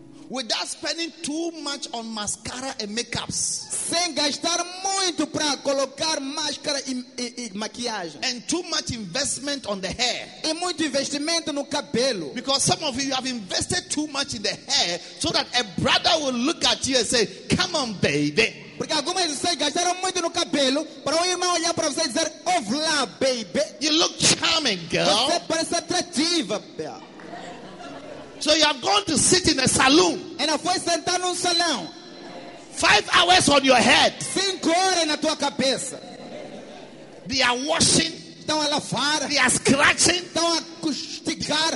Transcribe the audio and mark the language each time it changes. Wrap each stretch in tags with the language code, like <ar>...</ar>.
<en>Without spending too much on mascara and makeups.</en> <pt>Sem gastar muito para colocar máscara e maquiagem.</pt> <en>And too much investment on the hair.</en> <pt>E muito investimento no cabelo.</pt> <en>Because some of you have invested too much in the hair so that a brother will look at you and say, come on, baby.</en> <pt>Porque algumas de vocês gastaram muito no cabelo para o irmão olhar para você e dizer, oh, lá, baby.</pt> <en>You look charming, girl.</en> <pt>Você parece atrativa, baby.</pt> <en>So you are going to sit in a saloon.</en> <pt>And eu fui sentar num salão.</pt> <en>5 hours on your head.</en> <pt>5 horas na tua cabeça.</pt> <en>They are washing.</en> <pt>Estão a lavar.</pt> <en>They are scratching.</en> <pt>Estão a custicar.</pt>